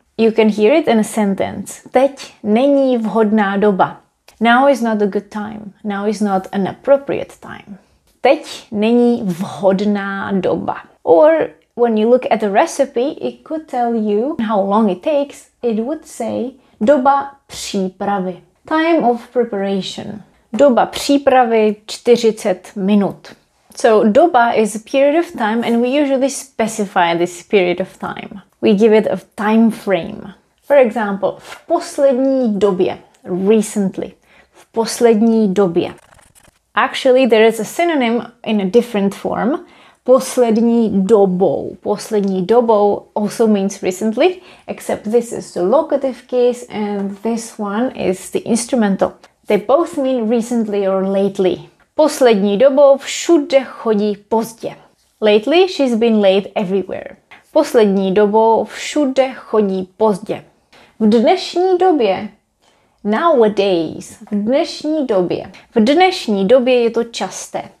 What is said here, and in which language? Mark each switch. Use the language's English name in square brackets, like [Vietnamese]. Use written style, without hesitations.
[English] You can hear it in a sentence. [Czech] Teď není vhodná doba. [English] Now is not a good time. Now is not an appropriate time. [Czech] Teď není vhodná doba. [English] Or when you look at the recipe, it could tell you how long it takes. It would say [Czech] doba přípravy. [English] Time of preparation. [Czech] Doba přípravy 40 minut. [English] So doba is a period of time and we usually specify this period of time. We give it a time frame. For example, [Czech] v poslední době, [English] recently. [Czech] V poslední době. [English] Actually, there is a synonym in a different form. [Czech] Poslední dobou. Poslední dobou [English] also means recently, except this is the locative case and this one is the instrumental. They both mean recently or lately. [Czech] Poslední dobou všude chodí pozdě. [English] Lately, she's been late everywhere. [Czech] Poslední dobou všude chodí pozdě. V dnešní době. [English] Nowadays. [Czech] V dnešní době. V dnešní době je to časté.